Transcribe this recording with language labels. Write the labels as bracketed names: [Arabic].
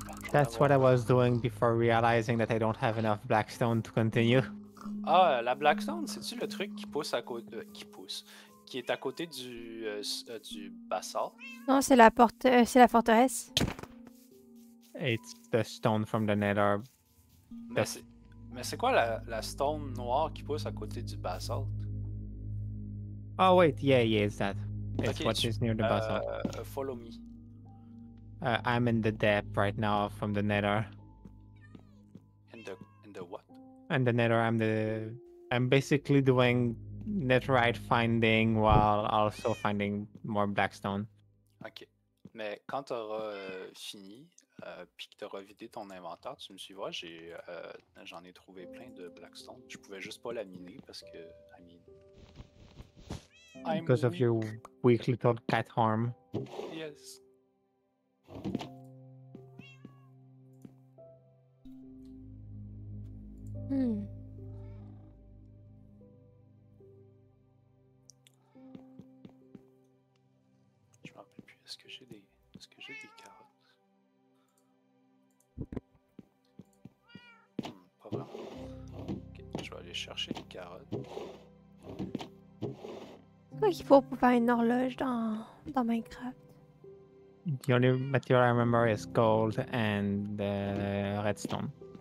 [English] That's what I was doing before realizing that I don't have enough blackstone to continue. [French] Ah, la blackstone, c'est-tu le truc qui pousse à côté... qui est à côté du basalt? Non, c'est la porte... c'est la forteresse. [English] It's the stone from the nether. [French] Mais c'est quoi la stone noire qui pousse à côté du basalt? [English] Oh wait, yeah, it's that. It's okay, what is near the basalt. Follow me. I'm in the depth right now from the nether. In the what? In the nether, I'm basically doing netherite finding while also finding more blackstone. Okay. [French] Mais quand t'auras fini, puis que t'auras vidé ton inventaire, tu me suivras, j'en ai trouvé plein de blackstone. Je pouvais juste pas la miner parce que... [English] Because of your weak little cat arm. Yes. [French] Je me rappelle plus, est-ce que j'ai des carottes? Pas vraiment. Ok, je vais aller chercher des carottes. Quoi qu'il faut pour faire une horloge dans Minecraft? [English] The only material I remember is gold and redstone.